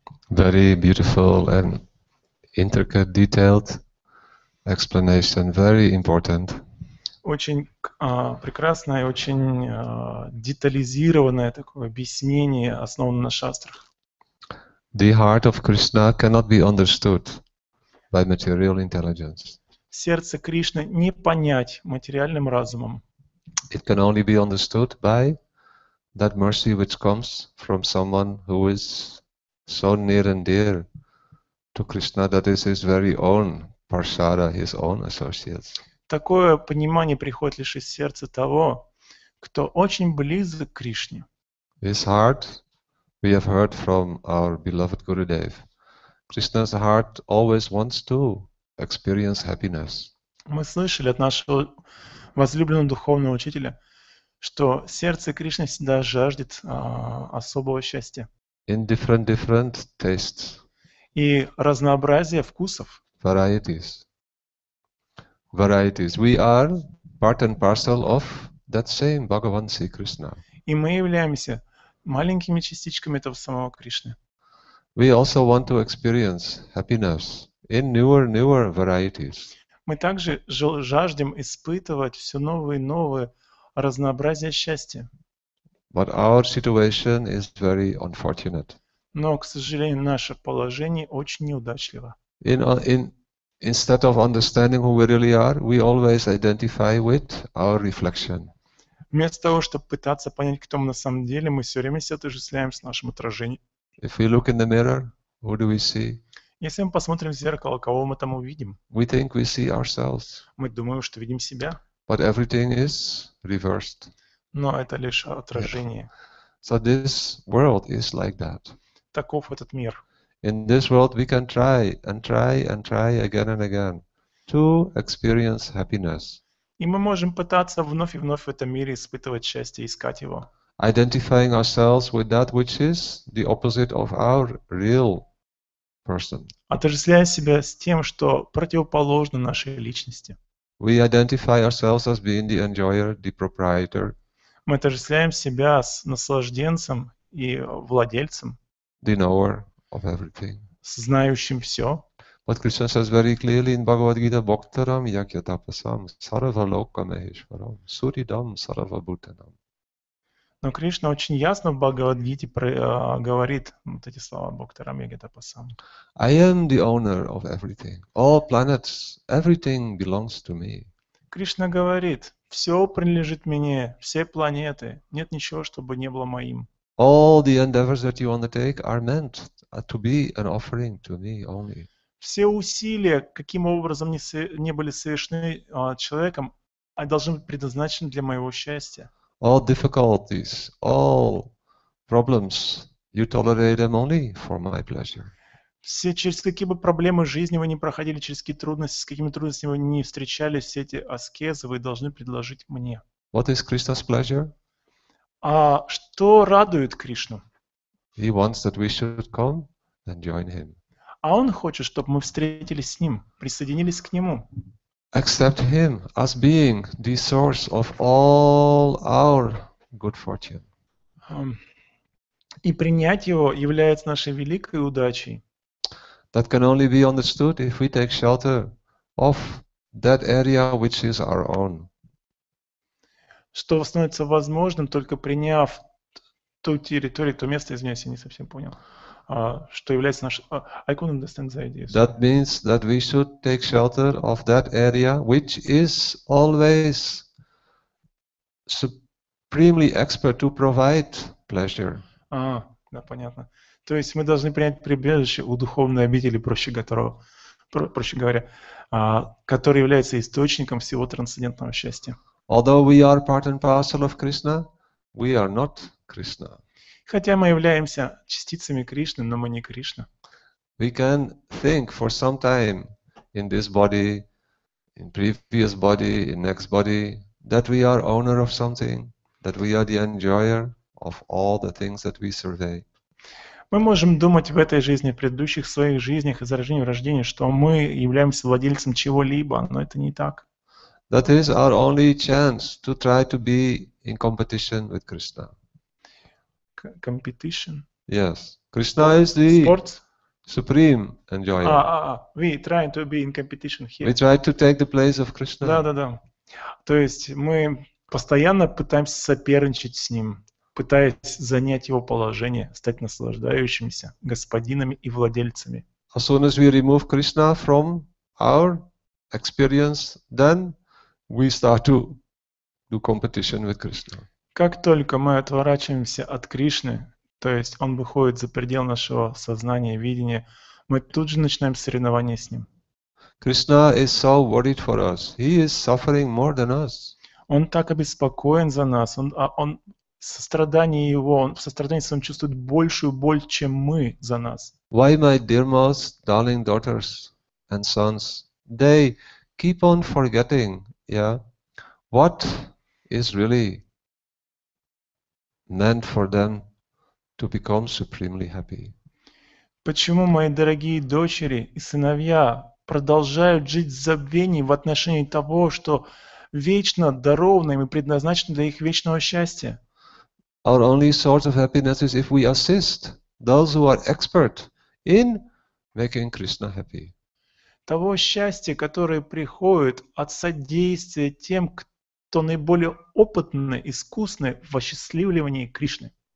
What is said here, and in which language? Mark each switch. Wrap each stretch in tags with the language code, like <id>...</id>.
<en>Very beautiful and intricate, detailed explanation, very important.</en> <ru>Очень прекрасное, очень детализированное такое объяснение, основанное на шастрах.</ru> <en>The heart of Krishna cannot be understood by material intelligence.</en> <ru>Сердце Кришны не понять материальным разумом.</ru> <en>It can only be understood by that mercy which comes from someone who is so near and dear to Krishna, that is his very own parsada, his own associates.</en> <ru>Такое понимание приходит лишь из сердца того, кто очень близок к Кришне.</ru> <en>His heart, we have heard from our beloved Gurudev. Krishna's heart always wants to experience happiness.</en> <ru>Мы слышали от нашего возлюбленного духовного учителя, что сердце Кришны всегда жаждет особого счастья.</ru> <en>In different tastes.</en> <ru>И разнообразие вкусов.</ru> <en>Varieties. Varieties. We are part and parcel of that same Bhagavan Sri Krishna.</en> <ru>И мы являемся маленькими частичками этого самого Кришны.</ru> <en>We also want to experience happiness in newer varieties.</en> <ru>Мы также жаждем испытывать все новые и новые разнообразия счастья.</ru> <en>But our situation is very unfortunate.</en> <ru>Но, к сожалению, наше положение очень неудачливо.</ru> <en>Instead of understanding who we really are, we always identify with our reflection.</en> <ru>Вместо того, чтобы пытаться понять, кто мы на самом деле, мы все время себя отождествляем с нашим отражением.</ru> <en>If we look in the mirror, who do we see?</en> <ru>Если мы посмотрим в зеркало, кого мы там увидим?</ru> <en>We think we see ourselves.</en> <ru>Мы думаем, что видим себя.</ru> <en>But everything is reversed.</en> <ru>Но это лишь отражение.</ru> <en>So this world is like that.</en> <ru>Таков этот мир.</ru> <en>In this world we can try again and again to experience happiness.</en> <ru>И мы можем пытаться вновь и вновь в этом мире испытывать счастье, искать его.</ru> <en>Identifying ourselves with that which is the opposite of our real person.</en> <ru>Отождествляя себя с тем, что противоположно нашей личности.</ru> <en>We identify ourselves as being the enjoyer, the proprietor.</en> <ru>Мы отождествляем себя с наслажденцем и владельцем.</ru> <en>The knower of everything.</en> <ru>Знающим все.</ru> <en>But Krishna says very clearly in Bhagavad Gita,</en> <sa>Bhaktaram Yakyatapasam Sarva Loka Maheshwaram Suridam Sarva Bhutanam.</sa> <ru>Но Кришна очень ясно в Бхагавад Гите говорит вот эти слова,</ru> <sa>Бхактарам Ягатапасам.</sa> <en>I am the owner of everything. All planets, everything belongs to me.</en> <ru>Кришна говорит, все принадлежит мне, все планеты, нет ничего, чтобы не было моим.</ru> <en>All the endeavors that you undertake are meant to be an offering to me only.</en> <ru>Все усилия, каким образом не были совершены человеком, должны быть предназначены для моего счастья.</ru> <en>All difficulties, all problems, you tolerate them only for my pleasure.</en> <ru>Все через какие бы проблемы жизни вы не проходили, через какие трудности, с какими трудностями вы не встречались, все эти аскезы вы должны предложить мне.</ru> <en>What is Krishna's pleasure?</en> <ru>А что радует Кришну?</ru> <en>He wants that we should come and join him.</en> <ru>А он хочет, чтобы мы встретились с ним, присоединились к нему.</ru> <en>Accept him as being the source of all our good fortune.</en> <ru>И принять его является нашей великой удачей.</ru> <en>That can only be understood if we take shelter of that area which is our own.</en> <ru>Что становится возможным, только приняв ту территорию, то место, извиняюсь, я не совсем понял, что является нашим...</ru> <en>I couldn't understand the idea. That means that we should take shelter of that area which is always supremely expert to provide pleasure.</en> <ru>А, да, понятно. То есть мы должны принять прибежище у духовной обители, проще говоря, который является источником всего трансцендентного счастья.</ru> <en>Although we are part and parcel of Krishna, we are not Krishna.</en> <ru>Хотя мы являемся частицами Кришны, но мы не Кришна.</ru> <en>We can think for some time in this body, in previous body, in next body, that we are owner of something, that we are the enjoyer of all the things that we survey.</en> <ru>Мы можем думать в этой жизни, в предыдущих своих жизнях, из рождения в рождение, что мы являемся владельцем чего-либо, но это не так.</ru> <en>That is our only chance to try to be in competition with Krishna. Competition? Yes. Krishna is the sports? Supreme enjoyer. We try to be in competition here. We try to take the place of Krishna.</en> <ru>Да-да-да. То есть мы постоянно пытаемся соперничать с ним, пытаясь занять его положение, стать наслаждающимся господинами и владельцами.</ru> <en>As soon as we remove Krishna from our experience, then we start to do competition with Krishna.</en> <ru>Как только мы отворачиваемся от Кришны, то есть он выходит за предел нашего сознания, видения, мы тут же начинаем соревнование с ним.</ru> <en>Krishna is so worried for us. He is suffering more than us.</en> <ru>Он так обеспокоен за нас. Он сострадание его, он в сострадании своем чувствует большую боль, чем мы за нас.</ru> <en>Why my dear most darling daughters and sons, they keep on forgetting, yeah, what is really meant for them to become supremely happy.</en> <ru>Почему мои дорогие дочери и сыновья продолжают жить в забвении в отношении того, что вечно даровано им и предназначено для их вечного счастья?</ru> <en>Our only source of happiness is if we assist those who are expert in making Krishna happy.</en> <ru>Того счастья, которое приходит от содействия тем, кто наиболее опытный, искусный в осчастливливании Кришны.</ru>